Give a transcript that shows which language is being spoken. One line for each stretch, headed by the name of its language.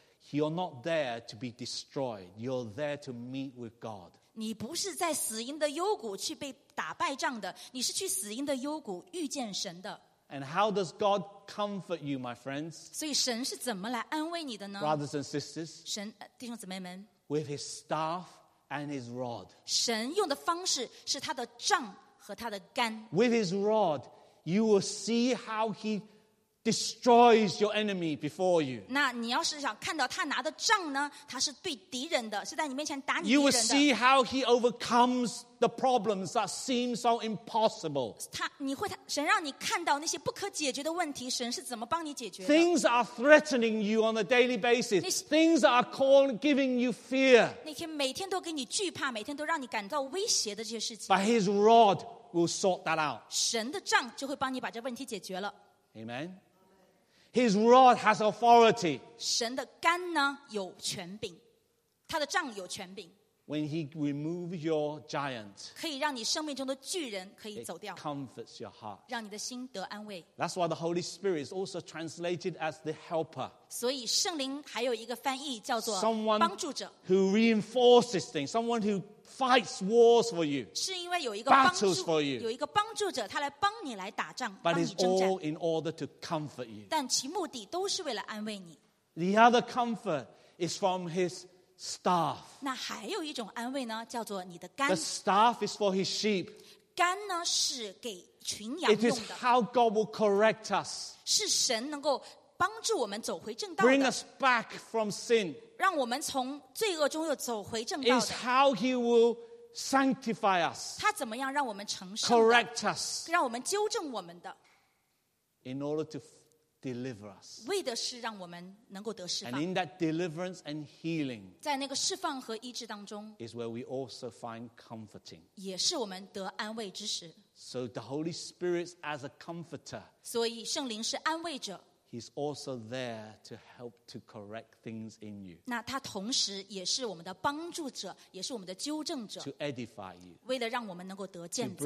English: You're not there to be destroyed. You're there to meet with God.
Chinese: 你不是在死荫的幽谷去被打败仗的，你是去死荫的幽谷遇见神的。
English: And how does God comfort you, my friends?
Chinese: 所以神是怎么来安慰你的呢？
English: Brothers and sisters,
Chinese: 神弟兄姊妹们，
English: with His staff and His rod.
Chinese: 神用的方式是他的杖和他的竿。
English: With His rod, you will see how He destroys your enemy before you.
Chinese: 那你要是想看到他拿的杖呢，他是对敌人的，是在你面前打你敌人的。
English: You will see how he overcomes the problems that seem so impossible.
Chinese: 神让你看到那些不可解决的问题，神是怎么帮你解决的。
English: Things are threatening you on a daily basis. Things are giving you fear.
Chinese: 那些每天都给你惧怕，每天都让你感到威胁的这些事情。
English: But his rod will sort that out.
Chinese: 神的杖就会帮你把这问题解决了。
English: Amen. His rod has authority.
Chinese: 神的竿呢有权柄，他的杖有权柄。
English: When he removes your giant,
Chinese: 可以让你生命中的巨人可以走掉。
English: It comforts your heart.
Chinese: 让你的心得安慰。
English: That's why the Holy Spirit is also translated as the helper.
Chinese: 所以圣灵还有一个翻译叫做
English: someone
Chinese: 帮助者。
English: Who reinforces things? Someone who fights wars for you.
Chinese: 是因为有一个帮助,
English: battles for you.
Chinese: 有一个帮助者，他来帮你来打仗,
English: but it's all in order to comfort you.
Chinese: 但其目的都是为了安慰你。
English: The other comfort is from his staff.
Chinese: 那还有一种安慰呢，叫做你的竿。
English: The staff is for his sheep.
Chinese: 竿呢是给群羊用的。
English: It is how God will correct us.
Chinese: 是神能够帮助我们走回正道的。
English: Bring us back from sin.
Chinese: 让我们从罪恶中又走回正道的。
English: It's how he will sanctify us.
Chinese: 他怎么样让我们成圣的？
English: Correct us.
Chinese: 让我们纠正我们的。
English: In order to deliver us.
Chinese: 为的是让我们能够得释放。
English: And in that deliverance and healing.
Chinese: 在那个释放和医治当中。
English: Is where we also find comforting.
Chinese: 也是我们得安慰之时。
English: So the Holy Spirit as a comforter.
Chinese: 所以圣灵是安慰者。
English: He's also there to help to correct things in you.
Chinese: 那他同时也是我们的帮助者，也是我们的纠正者。
English: To edify you.
Chinese: 为了让我们能够得建造。